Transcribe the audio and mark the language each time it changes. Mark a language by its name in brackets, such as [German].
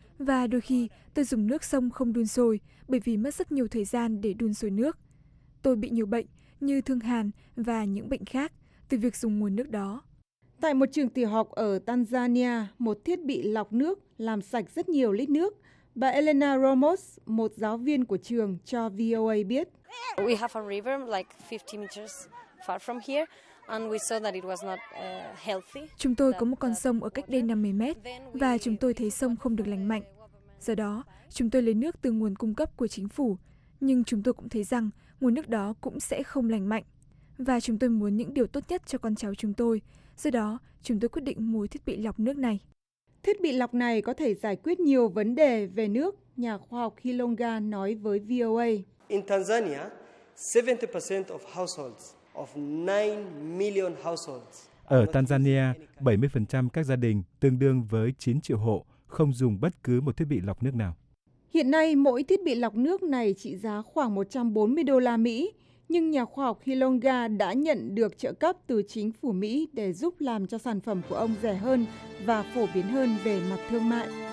[Vietnamese] Và đôi khi, tôi dùng nước sông không đun sôi bởi vì mất rất nhiều thời gian để đun sôi nước. Tôi bị nhiều bệnh như thương hàn và những bệnh khác từ việc dùng nguồn nước đó. Tại một trường tiểu học ở Tanzania, một thiết bị lọc nước làm sạch rất nhiều lít nước. Bà Elena Ramos, một giáo viên của trường, cho VOA biết. [English] We have a river like 50 meters far from here. [Vietnamese] Chúng tôi có một con sông ở cách đây 50 mét và chúng tôi thấy sông không được lành mạnh. Do đó, chúng tôi lấy nước từ nguồn cung cấp của chính phủ, nhưng chúng tôi cũng thấy rằng nguồn nước đó cũng sẽ không lành mạnh. Và chúng tôi muốn những điều tốt nhất cho con cháu chúng tôi, do đó chúng tôi quyết định mua thiết bị lọc nước này. Thiết bị lọc này có thể giải quyết nhiều vấn đề về nước, nhà khoa học Hilonga nói với VOA. [English] In Tanzania, 70% of households. Of 9 million households [Vietnamese] Ở Tanzania, 70% các gia đình, tương đương với 9 triệu hộ, không dùng bất cứ một thiết bị lọc nước nào. Hiện nay, mỗi thiết bị lọc nước này trị giá khoảng 140 đô la Mỹ, nhưng nhà khoa học Hilonga đã nhận được trợ cấp từ chính phủ Mỹ để giúp làm cho sản phẩm của ông rẻ hơn và phổ biến hơn về mặt thương mại.